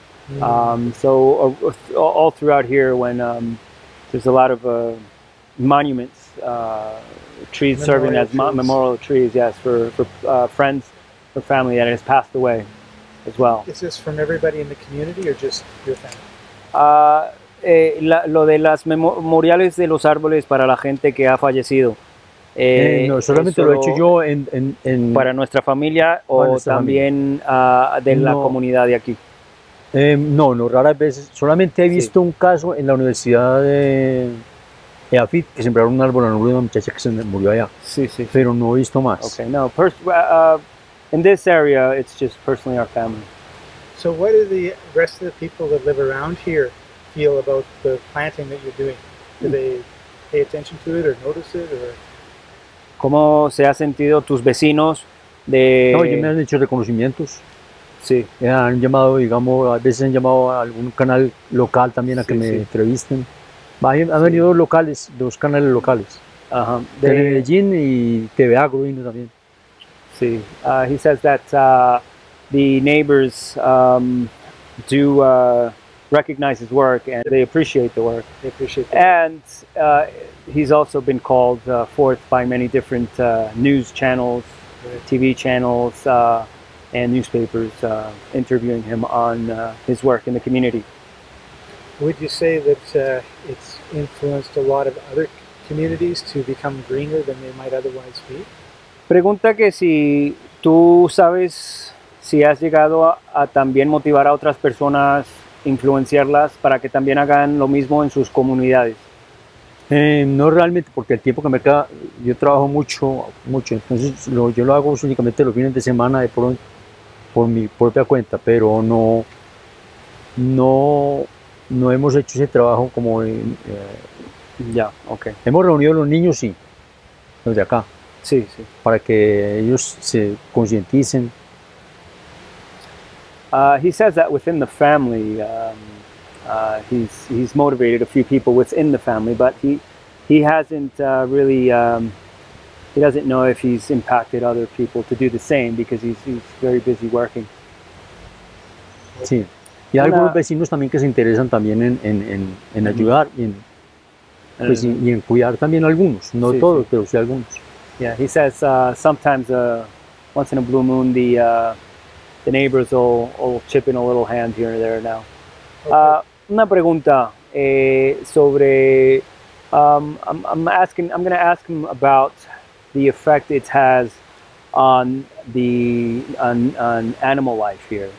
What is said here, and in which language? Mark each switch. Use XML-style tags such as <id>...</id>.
<en>Mm. So all throughout here, when there's a lot of monuments, trees memorial serving as trees. Memorial trees, yes, for friends, for family that has passed away as well. Is this from everybody in the community or just your family?</en> <es>Lo de las memoriales de los árboles para la gente que ha fallecido. No, solamente lo he hecho yo en para nuestra familia o nuestra también familia. De la comunidad de aquí. No, raras veces. Solamente he visto un caso en la Universidad de Eafit, que sembraron un árbol en nombre de una muchacha que se murió allá. Sí, sí. Pero no he visto más.</es> <en>Okay, no. In this area, it's just personally our family. So, what do the rest of the people that live around here feel about the planting that you're doing? Do they pay attention to it or notice it or?</en> <es>¿Cómo se ha sentido tus vecinos? Ya me han hecho reconocimientos. Sí. Han llamado, digamos, a veces han llamado a algún canal local también a que me entrevisten. Han venido dos canales locales. Ajá. De Medellin y TV Agro vino también. Sí.</es> <en>He says that the neighbors do recognize his work and they appreciate the work. They appreciate the work. And he's also been called forth by many different news channels, TV channels, and newspapers interviewing him on his work in the community. Would you say that it's influenced a lot of other communities to become greener than they might otherwise be?</en> <es>Pregunta que si tú sabes si has llegado a también motivar a otras personas, influenciarlas para que también hagan lo mismo en sus comunidades. No realmente, porque el tiempo que me queda, yo trabajo mucho, entonces yo lo hago únicamente los fines de semana de pronto por mi propia cuenta, pero no hemos hecho ese trabajo como</es> <en>okay.</en> <es>Hemos reunido a los niños, sí, los de acá, sí, para que ellos se concienticen.</es> <en>He says that within the family, he's motivated a few people within the family, but he hasn't really, he doesn't know if he's impacted other people to do the same because he's very busy working.</en> <es>Sí. Y hay algunos vecinos también que se interesan también en ayudar y en cuidar también algunos, no sí, todos, sí. Pero sí algunos.</es> <en>Yeah, he says sometimes, once in a blue moon, the neighbors will chip in a little hand here and there now. Okay. Una pregunta sobre, I'm going to ask him about the effect it has on the on animal life here.</en>